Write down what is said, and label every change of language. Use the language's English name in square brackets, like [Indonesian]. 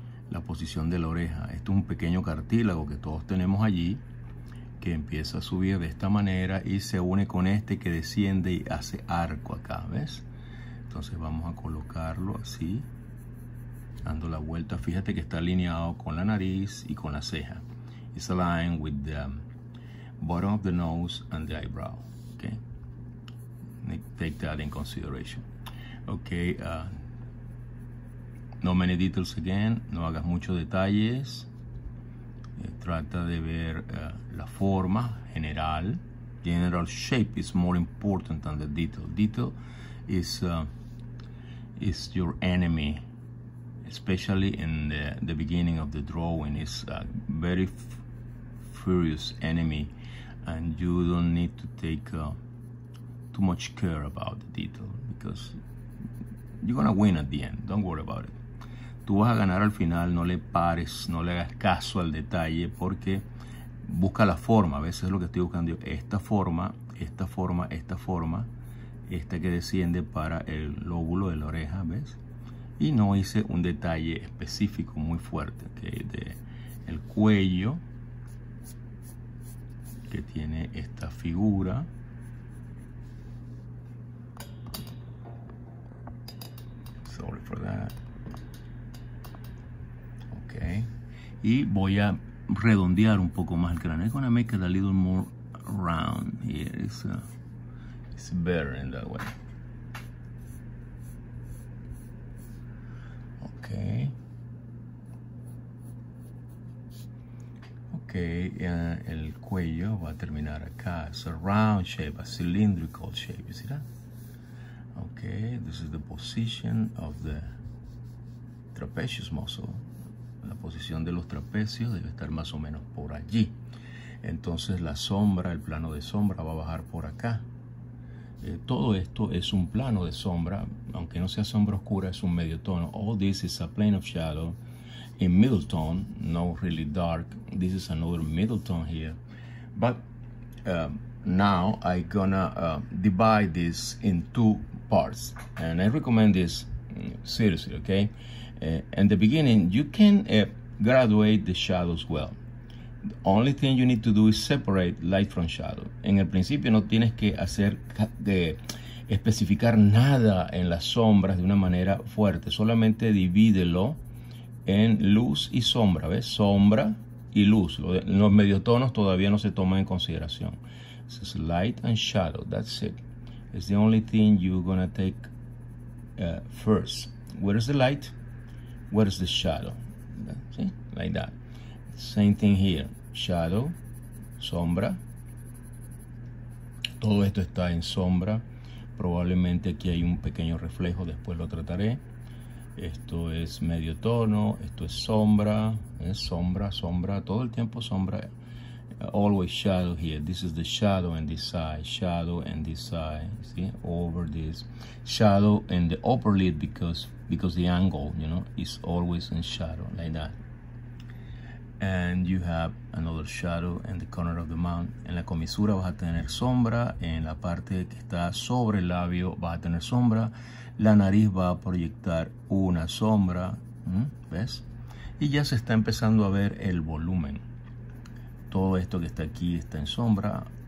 [Spanish] La posición de la oreja. Esto es un pequeño cartílago que todos tenemos allí, que empieza a subir de esta manera y se une con este que desciende y hace arco acá, ¿ves? Entonces vamos a colocarlo así, dando la vuelta. Fíjate que está alineado con la nariz y con la ceja. [English] It's aligned with the bottom of the nose and the eyebrow. Okay. Take that in consideration. Okay. No many details again. [Spanish] No hagas muchos detalles. Trata de ver la forma general. [English] General shape is more important than the detail. Detail is your enemy. Especially in the beginning of the drawing, it's a very furious enemy, and you don't need to take too much care about the detail because you're gonna win at the end. Don't worry about it. [Spanish] Tú vas a ganar al final. No le pares, no le hagas caso al detalle, porque busca la forma. A veces lo que estoy buscando yo, esta forma, esta forma, esta forma, esta que desciende para el lóbulo de la oreja, ¿ves? y no hice un detalle específico muy fuerte, que es de el cuello, que tiene esta figura. [English] Sorry for that. [Spanish] Okay. Y voy a redondear un poco más el cráneo. [English] I'm gonna make it a little more round here. It's better in that way. Okay. [Spanish] Okay, el cuello va a terminar acá. [English] It's a round shape, a cylindrical shape, you see that? Okay, this is the position of the trapezius muscle. [Spanish] La posición de los trapecios debe estar más o menos por allí. Entonces la sombra, el plano de sombra va a bajar por acá. Todo esto es un plano de sombra, aunque no sea sombra oscura, es un medio tono. [English] All this is a plane of shadow in middle tone, no really dark. This is another middle tone here. But now I'm gonna divide this in two parts. And I recommend this seriously, okay? In the beginning, you can graduate the shadows well. The only thing you need to do is separate light from shadow. [Spanish] En el principio no tienes que hacer de especificar nada en las sombras de una manera fuerte. Solamente divídelo en luz y sombra, ¿ves? Sombra y luz. Los medio tonos todavía no se toman en consideración. [English] This is light and shadow. That's it. It's the only thing you're going to take first. Where is the light? Where is the shadow? See? Like that. Same thing here. Shadow, [Spanish] sombra. Todo esto está en sombra. Probablemente aquí hay un pequeño reflejo. Después lo trataré. Esto es medio tono. Esto es sombra. Es sombra, sombra. Todo el tiempo sombra. [English] Always shadow here. This is the shadow and this side. Shadow and this side. See? Over this. Shadow and the upper lid because the angle, you know, is always in shadow. Like that. And you have another shadow in the corner of the mouth. [Spanish] En la comisura vas a tener sombra. En la parte que está sobre el labio vas a tener sombra. La nariz va a proyectar una sombra. ¿Ves? Y ya se está empezando a ver el volumen. Todo esto que está aquí está en sombra.